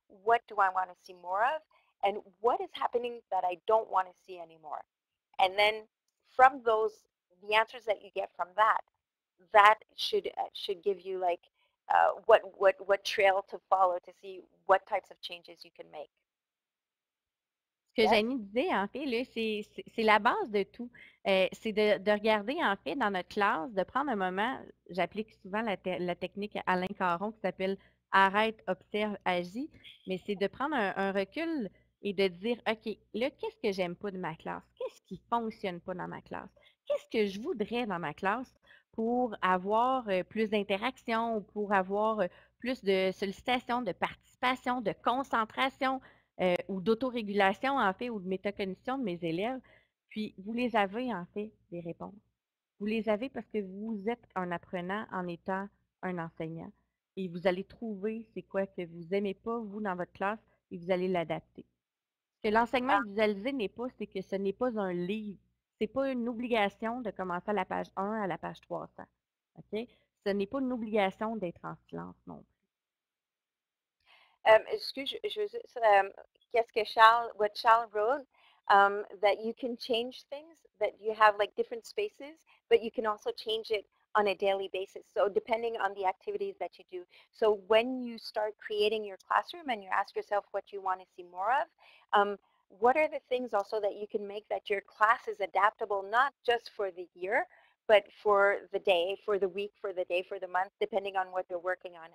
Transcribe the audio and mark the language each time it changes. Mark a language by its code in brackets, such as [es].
[en] What do I want to see more of? And what is happening that I don't want to see anymore? And then from those, the answers that you get from that, that should give you like what trail to follow to see what types of changes you can make. [fr] Ce que Janie disait, en fait, là, c'est la base de tout. C'est de regarder, en fait, dans notre classe, de prendre un moment. J'applique souvent la technique Alain Caron qui s'appelle « Arrête, observe, agis ». Mais c'est de prendre un recul et de dire « OK, là, qu'est-ce que j'aime pas de ma classe? Qu'est-ce qui fonctionne pas dans ma classe? Qu'est-ce que je voudrais dans ma classe pour avoir plus d'interactions, pour avoir plus de sollicitations, de participation, de concentration ?» ou d'autorégulation, en fait, ou de métacognition de mes élèves, puis vous les avez, en fait, les réponses. Vous les avez parce que vous êtes un apprenant en étant un enseignant. Et vous allez trouver c'est quoi que vous n'aimez pas, vous, dans votre classe, et vous allez l'adapter. Ce que l'enseignement visualisé n'est pas, c'est que ce n'est pas un livre. Ce n'est pas une obligation de commencer à la page 1 à la page 300. Okay? Ce n'est pas une obligation d'être en silence non plus. Qu'est-ce que [en] Charles, what Charles wrote, that you can change things, that you have like different spaces, but you can also change it on a daily basis. So depending on the activities that you do. So when you start creating your classroom and you ask yourself what you want to see more of, what are the things also that you can make that your class is adaptable, not just for the year, but for the day, for the week, for the day, for the month, depending on what you're working on.